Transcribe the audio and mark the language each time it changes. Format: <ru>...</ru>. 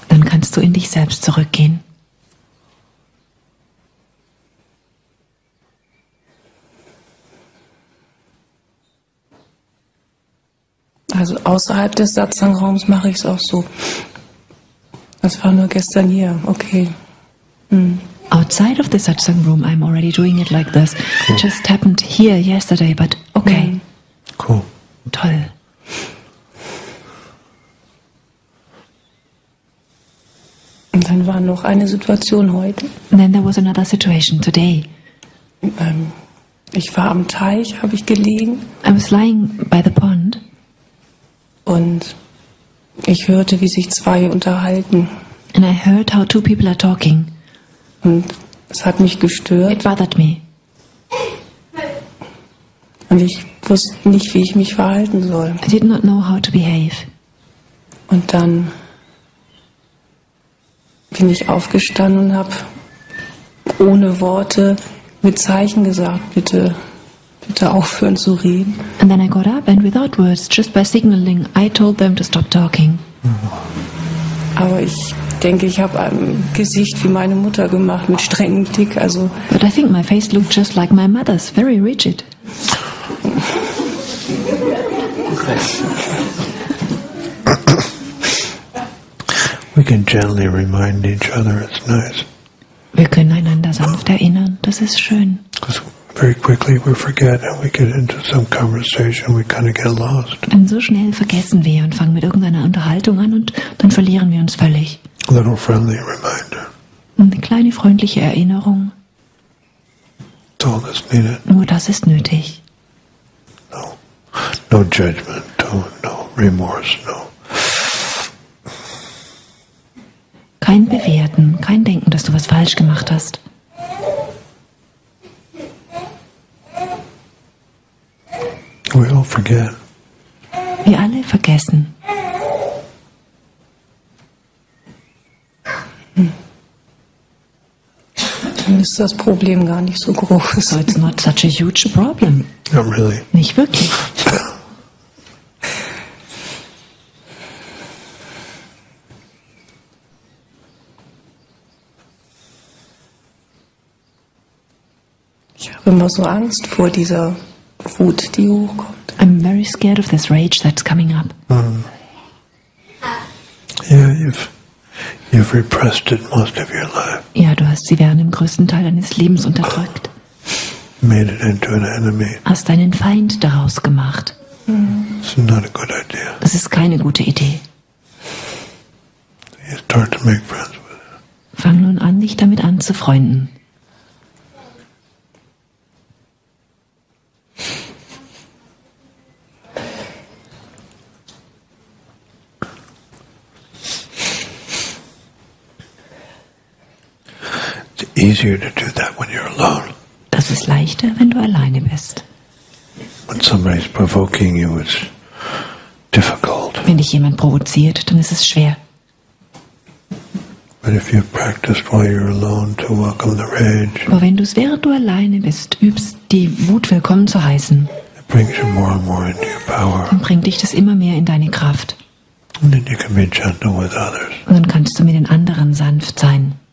<de>Dann kannst du in dich selbst zurückgehen. Also außerhalb des Satsang-Raums mache ich es auch so. Das war nur gestern hier. Okay.</de> <en>Outside of the satsang room, I'm already doing it like this. Cool. It just happened here yesterday, but okay. Cool.</en> <de>Toll. Und dann war noch eine Situation heute.</de> <en>And then there was another situation today.</en> <de>Ich war am Teich, habe ich gelegen.</de> <en>I was lying by the pond.</en> <de>Und ich hörte, wie sich zwei unterhalten.</de> <en>And I heard how two people are talking.</en> <de>Und es hat mich gestört.</de> <en>It bothered me.</en> <de>Und ich wusste nicht, wie ich mich verhalten soll.</de> <en>I did not know how to behave.</en> <de>Und dann bin ich aufgestanden und habe ohne Worte mit Zeichen gesagt, bitte, bitte aufhören zu reden.</de> <en>And then I got up and without words, just by signaling, I told them to stop talking.</en> <de>Aber ich denke, ich habe ein Gesicht wie meine Mutter gemacht, mit strengem Blick, also.</de> <en>But I think my face looked just like my mother's, very rigid. We can gently remind each other, it's nice.</en> <de>Wir können einander sanft erinnern, das ist schön.</de> <en>Because very quickly we forget and we get into some conversation, we kind of get lost.</en> <de>Und so schnell vergessen wir und fangen mit irgendeiner Unterhaltung an und dann verlieren wir uns völlig.</de> <en>A little friendly reminder.</en> <de>Eine kleine freundliche Erinnerung.</de> <en>It's all that's needed.</en> <de>Nur das ist nötig.</de> <en>No, no judgment, no, no remorse, no.</en> <de>Kein Bewerten, kein Denken, dass du was falsch gemacht hast.</de> <en>We all forget.</en> <de>Wir alle vergessen. Dann ist das Problem gar nicht so groß.</de> <en>So it's not such a huge problem. Not really.</en> <de>Nicht wirklich. Ich habe immer so Angst vor dieser Wut, die hochkommt.</de> <en>I'm very scared of this rage that's coming up. Yeah, You've repressed it most of your life.</en> <de>Ja, du hast sie während dem größten Teil deines Lebens unterdrückt.</de> <en>Made it into an enemy.</en> <de>Hast deinen Feind daraus gemacht.</de> <en>It's not a good idea.</en> <de>Das ist keine gute Idee.</de> <en>You start to make friends with it.</en> <de>Fang nun an, dich damit anzufreunden.</de> <en>Easier to do that when you're alone.</en> <de>Das ist leichter, wenn du alleine bist.</de> <en>When somebody's provoking you, it's difficult.</en> <de>Wenn dich jemand provoziert, dann ist es schwer.</de> <en>But</en> <de>Aber wenn du es, während du alleine bist, übst, die Wut willkommen zu heißen, dann bringt dich das immer mehr in deine Kraft.</de> <en>And then you can be gentle with others.</en> <de>Und dann kannst du mit den anderen sanft sein.</de>